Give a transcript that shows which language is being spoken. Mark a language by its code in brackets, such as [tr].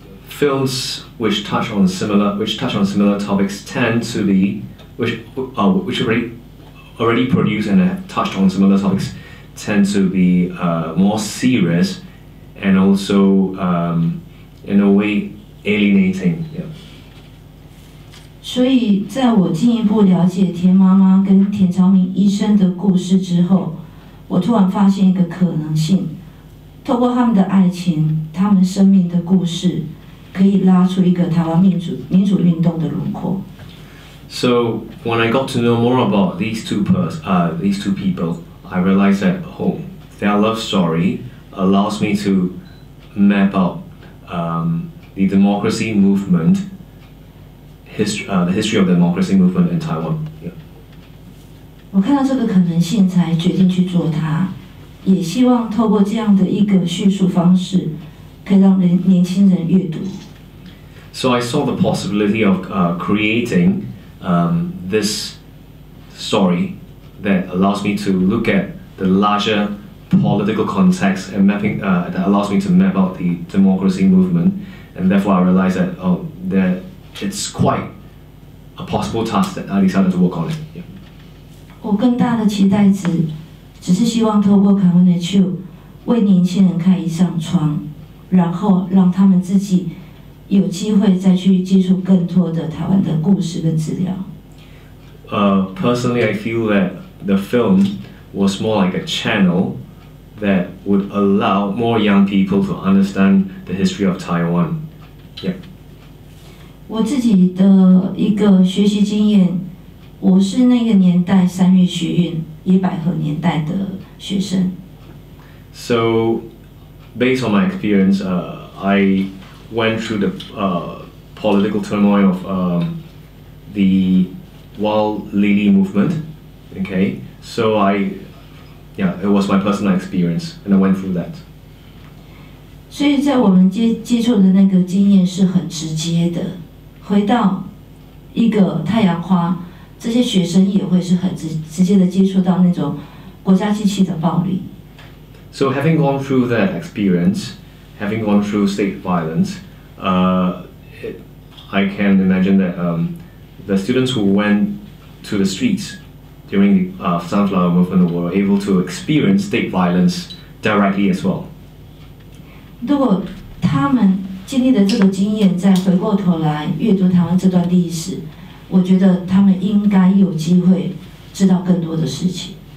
[en] Films which touch on similar topics tend to be which already produce and have touched on similar topics tend to be more serious and also in a way alienating. Yeah. [zh] 所以在我进一步了解田妈妈跟田朝明医生的故事之后，我突然发现一个可能性，透过他们的爱情，他们生命的故事，可以拉出一个台湾民主运动的轮廓。 [en] So when I got to know more about these two people, I realized that their love story allows me to map out the democracy movement, the history of the democracy movement in Taiwan. Yeah. [zh] 我看到这个可能性才决定去做它，也希望透过这样的一个叙述方式，可以让年轻人阅读。 [en] So I saw the possibility of creating this story that allows me to look at the larger political context and mapping that allows me to map out the democracy movement, and therefore I realized that that it's quite a possible task that I decided to work on it. Yeah. [zh] 我更大的期待只是希望透过凯文的秀为年轻人开一扇窗，然后让他们自己有机会再去接触更多的台湾的故事跟资料。 [en] Personally, I feel that the film was more like a channel that would allow more young people to understand the history of Taiwan. Yeah. [zh] 我自己的一个学习经验，我是那个年代三月学运一百合年代的学生。 [en] So, based on my experience, I went through the political turmoil of the Wild Lily movement. Okay, so it was my personal experience, and I went through that. [zh] 所以在我们接触的那个经验是很直接的。回到一个太阳花，这些学生也会是很直接的接触到那种国家机器的暴力。 [en] So having gone through that experience, having gone through state violence, I can imagine that the students who went to the streets during the Sunflower Movement were able to experience state violence directly as well. [zh] 如果他们经历的这个经验再回过头来阅读台湾这段历史，我觉得他们应该有机会知道更多的事情。